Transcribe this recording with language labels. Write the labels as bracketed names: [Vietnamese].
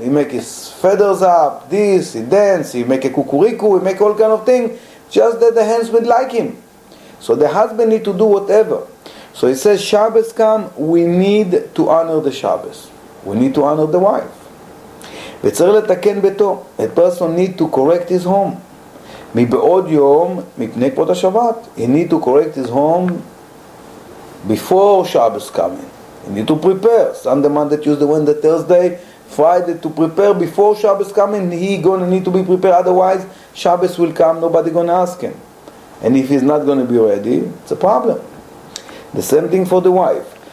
[English] He make his feathers up, this, he dance, he make a kukuriku, he make all kind of things. Just that the hens would like him. So the husband need to do whatever. So he says, Shabbos come, we need to honor the Shabbos. We need to honor the wife. [Hebrew] וצריך לתקן ביתו. [English] A person need to correct his home. [Hebrew] מבעוד יום, מפני כבוד השבת. [English] He need to correct his home before Shabbos coming. He need to prepare. Sunday, Monday, Tuesday, Wednesday, Thursday, Friday to prepare before Shabbos coming. He gonna need to be prepared. Otherwise, Shabbos will come. Nobody gonna ask him. And if he's not gonna be ready, it's a problem. The same thing for the wife.